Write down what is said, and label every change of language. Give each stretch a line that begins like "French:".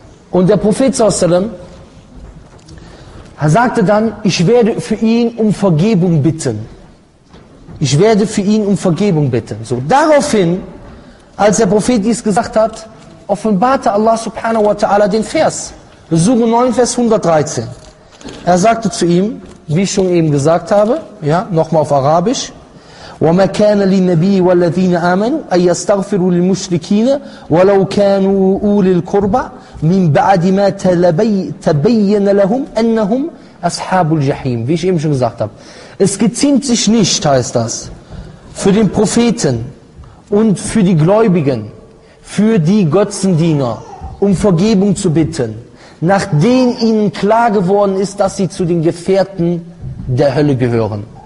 German: Und der Prophet sallallahu sagte dann, ich werde für ihn um Vergebung bitten. Ich werde für ihn um Vergebung bitten. So, daraufhin, als der Prophet dies gesagt hat, offenbarte Allah subhanahu wa ta'ala den Vers. Surah 9, Vers 113. Er sagte zu ihm, wie ich schon eben gesagt habe, ja, nochmal auf Arabisch,
Arabic: وَمَا كَانَ لِلنَّبِيِّ وَالَّذِينَ آمَنُوا أَن يَسْتَغْفِرُوا لِلْمُشْرِكِينَ وَلَوْ كَانُوا أُولِي الْقُرْبَى مِنْ بَعْدِ مَا تَبَيَّنَ لَهُمْ أَنَّهُمْ أَصْحَابُ الْجَحِيمِ.
German: Wie ich eben schon gesagt habe. Es geziemt sich nicht, heißt das, für den Propheten und für die Gläubigen, für die Götzendiener, um Vergebung zu bitten, nachdem ihnen klar geworden ist, dass sie zu den Gefährten der Hölle gehören.